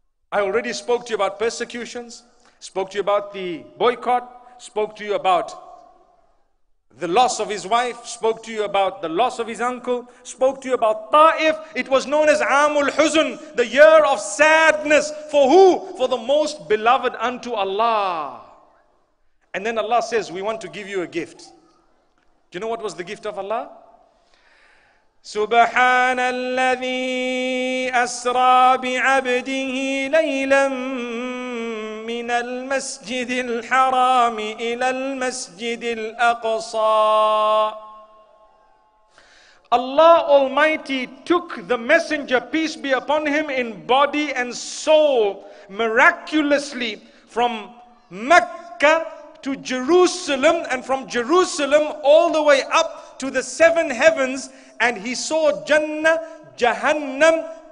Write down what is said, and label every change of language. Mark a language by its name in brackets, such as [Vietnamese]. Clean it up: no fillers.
[English] I already spoke to you about persecutions, spoke to you about the boycott, spoke to you about the loss of his wife, spoke to you about the loss of his uncle, spoke to you about Ta'if. It was known as Amul Huzn, the year of sadness. For who? For the most beloved unto Allah. And then Allah says, we want to give you a gift. Do you know what was the gift of Allah? [Arabic] Subhanalladhi asra bi'abdihi laylam من المسجد الحرام إلى المسجد الأقصى. [English] Allah Almighty took the messenger, peace be upon him, in body and soul, miraculously from Mecca to Jerusalem, and from Jerusalem all the way up to the seven heavens, and he saw Jannah, Jahannam.